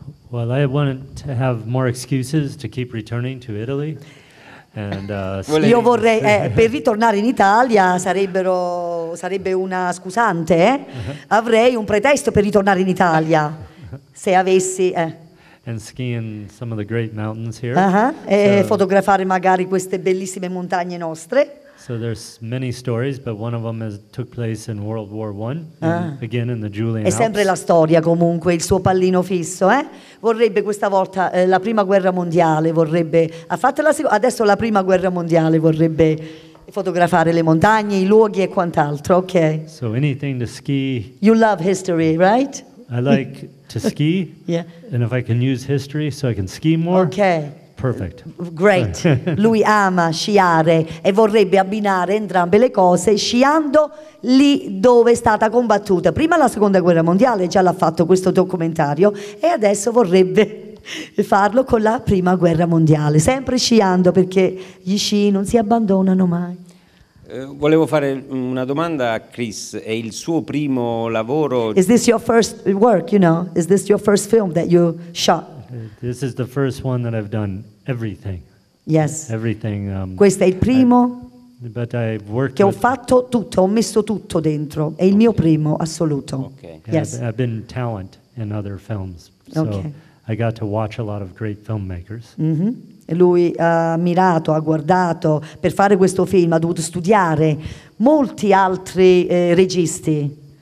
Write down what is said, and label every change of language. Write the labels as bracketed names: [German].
[English] Well, I wanted to have more excuses to keep returning to Italy. And, [Italian] io vorrei per ritornare in Italia sarebbe una scusante, eh? Avrei un pretesto per ritornare in Italia se avessi. [English] And skiing some of the great mountains here. [Italian] E fotografare magari queste bellissime montagne nostre. [English] So there's many stories, but one of them took place in World War One, again in the Julian Alps. [Italian] È sempre la storia, comunque, il suo pallino fisso, eh? Vorrebbe questa volta la prima guerra mondiale, vorrebbe. Ha fatto la seconda, adesso la prima guerra mondiale, vorrebbe fotografare le montagne, i luoghi e quant'altro, ok? [English] So anything to ski. You love history, right? I like to ski, yeah. And if I can use history so I can ski more, okay. Perfect. Great. [Italian] Lui ama sciare e vorrebbe abbinare entrambe le cose, sciando lì dove è stata combattuta. Prima la Seconda Guerra Mondiale, già l'ha fatto questo documentario, e adesso vorrebbe farlo con la Prima Guerra Mondiale, sempre sciando, perché gli sci non si abbandonano mai. Volevo fare una domanda a Chris. È il suo primo lavoro? [English] Is this your first work, you know? Is this your first film that you shot? This is the first one that I've done everything. Yes. Everything. [Italian] Questo è il primo. [English] But I've worked [Italian] che ho fatto tutto, ho messo tutto dentro. È il mio primo assoluto. Okay. [English] Yes. I've been talent in other films. So okay. I got to watch a lot of great filmmakers. [Italian] Lui ha ammirato, ha guardato, per fare questo film ha dovuto studiare molti altri registi.